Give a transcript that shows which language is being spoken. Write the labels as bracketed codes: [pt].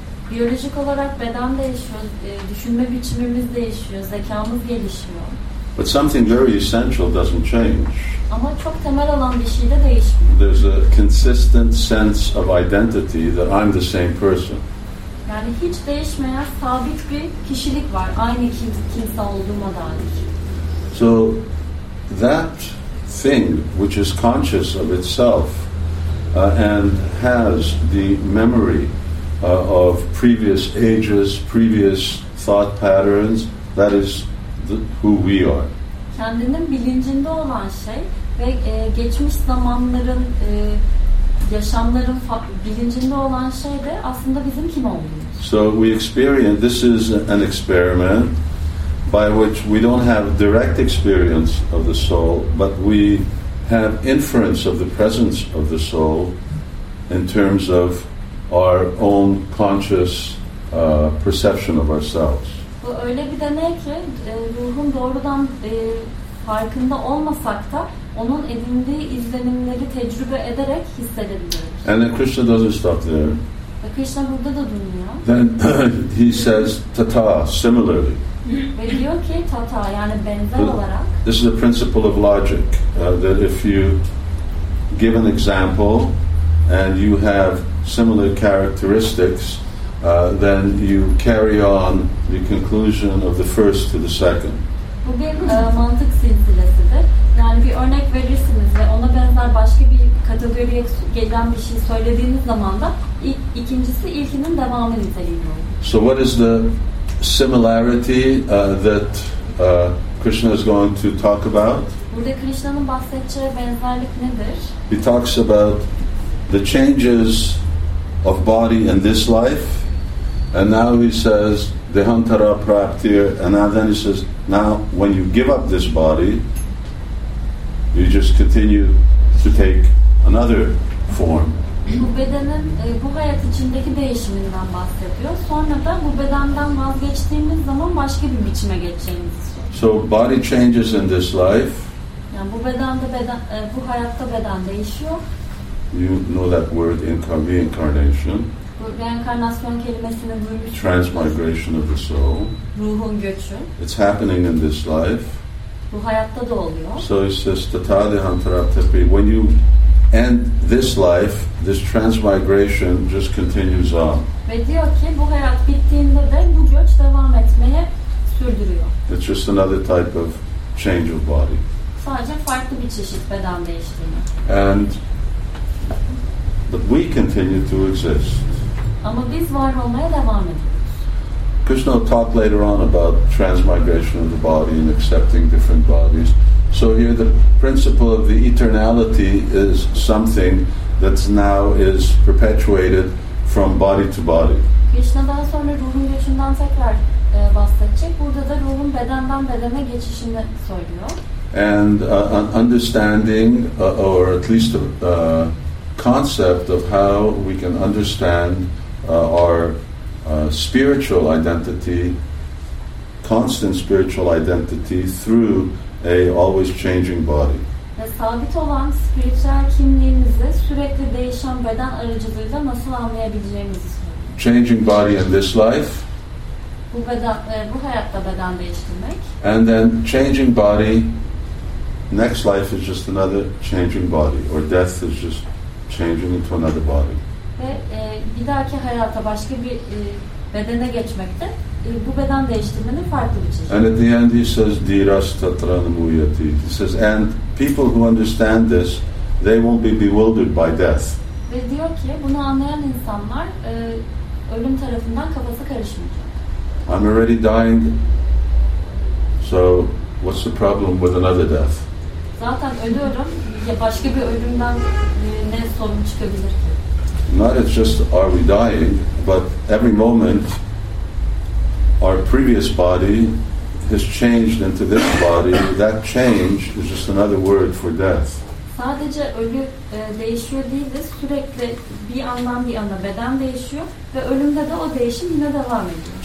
[tr] Biyolojik olarak beden değişiyor, düşünme biçimimiz değişiyor, zekamız gelişiyor. [en] But something very essential doesn't change. [tr] Ama çok temel olan bir şey de değişmiyor. [en] There's a consistent sense of identity that I'm the same person. [tr] Yani hiç değişmeyen sabit bir kişilik var, aynı kimse olduğuma dair. [en] So that thing which is conscious of itself and has the memory of previous ages, previous thought patterns, that is who we are. [tr] Kendinin bilincinde olan şey ve geçmiş zamanların yaşamların bilincinde olan şey de aslında bizim kim olduğumuz. [en] So we experience, this is an experiment by which we don't have direct experience of the soul, but we have inference of the presence of the soul in terms of our own conscious perception of ourselves. [tr] Bu öyle bir deney ki ruhun doğrudan farkında olmasak da onun edindiği izlenimleri tecrübe ederek hissedebiliriz. [en] And then Krishna doesn't stop there. [tr] Ve Krishna burada da durmuyor. [en] Then he says tata, similarly. [tr] Ve diyor ki tata, yani benzer olarak. [en] This is a principle of logic that if you give an example and you have similar characteristics, then you carry on the conclusion of the first to the second. [tr] Bu bir mantık silsilesidir. Yani bir örnek verirsiniz ve ona benzer başka bir kategoriye gelen bir şey söylediğiniz zaman da ikincisi ilkinin devamı niteliğinde olur. [en] So what is the similarity that Krishna is going to talk about? [tr] Burada Krishna'nın bahsedeceği benzerlik nedir? [en] He talks about the changes of body in this life, and now he says dehantara praptir, and now then he says, now when you give up this body, you just continue to take another form. [tr] Bu bedenin bu hayat içindeki değişiminden bahsediyor. Sonra da bu bedenden vazgeçtiğimiz zaman başka bir biçime geçeceğimizi söylüyor. [en] So body changes in this life. [tr] Yani bu bedende bu hayatta beden değişiyor. [en] You know that word reincarnation. [tr] Reenkarnasyon kelimesini duymuşsunuz. [en] Transmigration of the soul. [tr] Ruhun göçü. [en] It's happening in this life. [tr] Bu hayatta da oluyor. [en] So it says tatadihantaratapi. When you end this life, this transmigration just continues on. [tr] Ve diyor ki bu hayat bittiğinde de bu göç devam etmeye sürdürüyor. [en] It's just another type of change of body. [tr] Sadece farklı bir çeşit beden değiştirme. [en] And but we continue to exist. [tr] Ama biz var olmaya devam ediyoruz. [en] Krishna will talk later on about transmigration of the body and accepting different bodies. So here the principle of the eternality is something that now is perpetuated from body to body. [tr] Krishna daha sonra ruhun göçünden tekrar bahsedecek. Burada da ruhun bedenden bedene geçişini söylüyor. [en] And an understanding or at least a concept of how we can understand our spiritual identity, constant spiritual identity through a always changing body. [tr] Ve sabit olan spiritüel kimliğimizi sürekli değişen beden aracılığıyla nasıl anlayabileceğimizi soruyor. [en] Changing body in this life. [tr] Bu hayatta beden değiştirmek. [en] And then changing body, next life is just another changing body, or death is just changing into another body. [tr] Ve bir dahaki hayata başka bir bedene geçmekte bu beden değiştirmenin farklı bir çeşidi. [en] And at the end he says, [sa] "Diras tatranam uyati." [en] He says, and people who understand this, they won't be bewildered by death. [tr] Ve diyor ki, bunu anlayan insanlar ölüm tarafından kafası karışmayacak. [en] I'm already dying, so what's the problem with another death? [tr] Zaten ölüyorum, ya başka bir ölümden ne sorun çıkabilir ki? [en] Not it's just are we dying, but every moment our previous body has changed into this body. That change is just another word for death. [tr] Sadece ölü değişiyor değiliz, sürekli bir andan bir ana beden değişiyor ve ölümde de o değişim yine devam ediyor.